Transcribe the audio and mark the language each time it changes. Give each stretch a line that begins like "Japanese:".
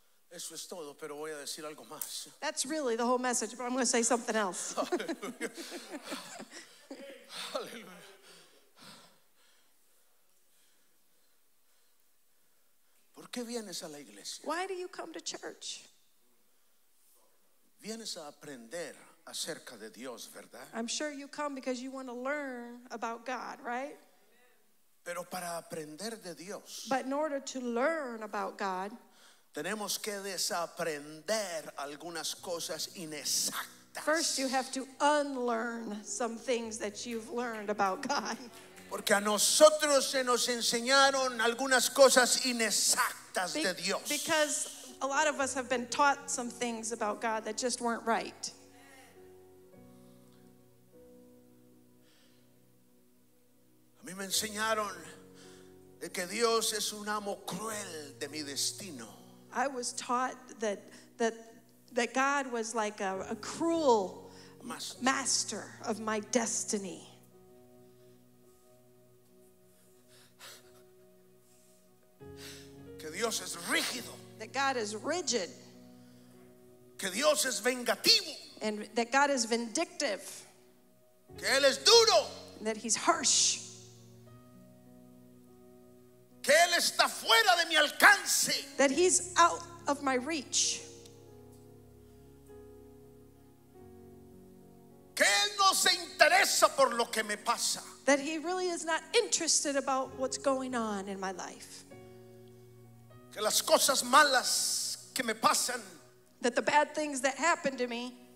Spanish: Eso es todo, pero voy a decir algo más.
English: That's really the whole message, but I'm going to say something else.
Spanish: ¿Por qué vienes a la iglesia?
English: Why do you come to church?
Spanish: Vienes a aprender acerca de Dios, ¿verdad?
English: I'm sure you come because you want to learn about God, right?
Spanish: Pero para aprender de Dios.
English: But in order to learn about God.
Spanish: Tenemos que desaprender algunas cosas inexactas.
English: First, you have to unlearn some things that you've learned about God.
Spanish: Porque a nosotros se nos enseñaron algunas cosas inexactas de Dios.
English: Because a lot of us have been taught some things about God that just weren't right.
Spanish: A mí me enseñaron de que Dios es un amo cruel de mi destino.
English: I was taught that God was like a cruel master of my destiny.
Spanish: Que Dios es rígido.
English: That God is rigid.
Spanish: Que Dios es vengativo.
English: And that God is vindictive.
Spanish: Que él es duro.
English: And that he's harsh.
Spanish: Que él está fuera de mi alcance.
English: That he's out of my reach.
Spanish: Que él no se interesa por lo que me pasa.
English: That he really is not interested about what's going on in my life.
Spanish: Que las cosas malas que me pasan.
English: That the bad things that happen to me.